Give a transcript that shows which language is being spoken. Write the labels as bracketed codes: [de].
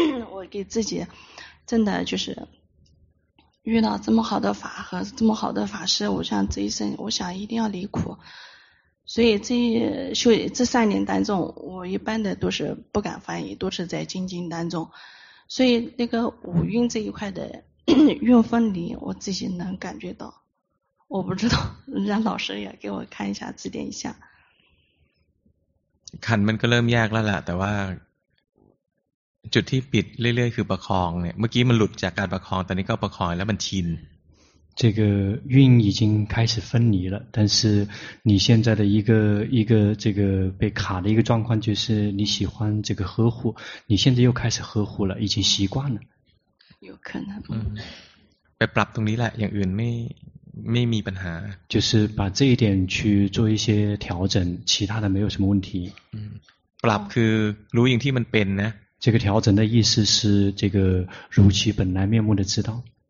[zh] 我给自己真的就是遇到这么好的法和这么好的法师我想这一生我想一定要离苦所以这三年当中我一般的都是不敢翻译都是在精进当中所以那个五蕴这一块的运分离我自己能感觉到我不知道，让老师也给我看一下，指点一下。 [th] ขันมันก็เริ่มยากแล้วแหละแต่ว่าจุดที่ปิดเรื่อยๆคือประคองเนี่ยเมื่อกี้มันหลุดจากการประคองตอนนี้ก็ประคองแล้วมันชิน [zh] 这个运已经开始分离了，但是你现在的一个这个被卡的一个状况就是你喜欢这个呵护，你现在又开始呵护了，已经习惯了。有可能。 [th] ไปปรับตรงนี้แหละอย่างอื่นไม่มีปัญหา [zh] 就是把这一点去做一些调整，其他的没有什么问题。 [th] ปรับคือรู้อย่างที่มันเป็นนะ [zh] 这个调整的意思是这个如其本来面目的知道。